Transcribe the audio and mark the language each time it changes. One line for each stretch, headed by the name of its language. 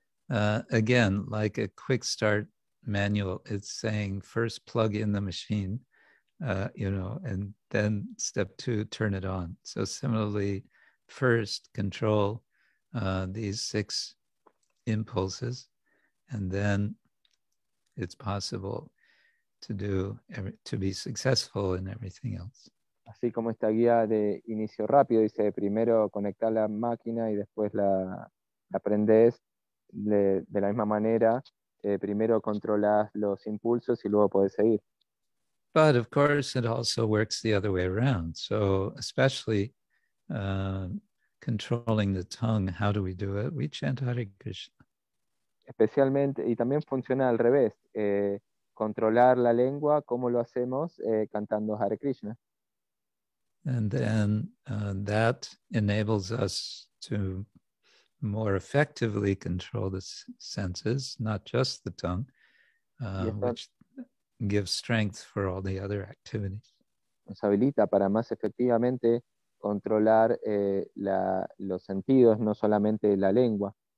English: Again, like a quick start manual, it's saying first plug in the machine, and then step two, turn it on. So similarly, first control these six impulses, and then it's possible to be successful in everything else.
Spanish: Así como esta guía de inicio rápido dice, primero conectar la máquina y después la aprendes de la misma manera, primero controlas los impulsos y luego puedes seguir.
English: But of course, it also works the other way around. So especially controlling the tongue, how do we do it? We chant Hare Krishna.
Spanish: Especialmente, y también funciona al revés. Controlar la lengua, ¿cómo lo hacemos? Cantando Hare Krishna.
English: And then that enables us to more effectively control the senses, not just the tongue, which gives strength for all the other activities.
Spanish: Nos habilita para más efectivamente controlar los sentidos, no solamente la lengua.